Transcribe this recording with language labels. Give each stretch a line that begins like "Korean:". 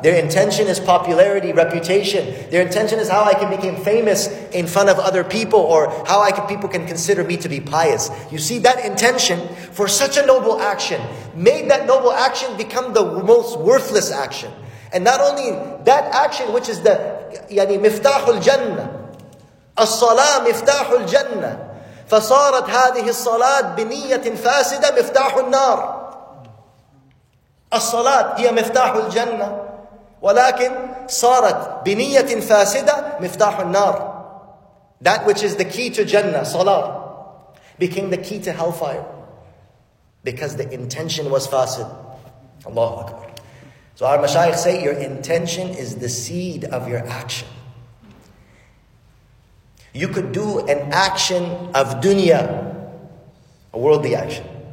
English: Their intention is popularity, reputation. Their intention is how I can become famous in front of other people, or how I can, people can consider me to be pious. You see, that intention for such a noble action made that noble action become the most worthless action. And not only that action, which is the
Arabic: يعني مفتاح الجنة. الصلاة مفتاح الجنة فصارت هذه الصلاة بنية فاسدة مفتاح النار. الصلاة هي مفتاح الجنة ولكن صارت بنية فاسدة مفتاح النار.
English: That which is the key to Jannah, salah, became the key to hellfire because the intention was fasid. Allahu Akbar. So our mashayikh say your intention is the seed of your action. You could do an action of dunya, a worldly action.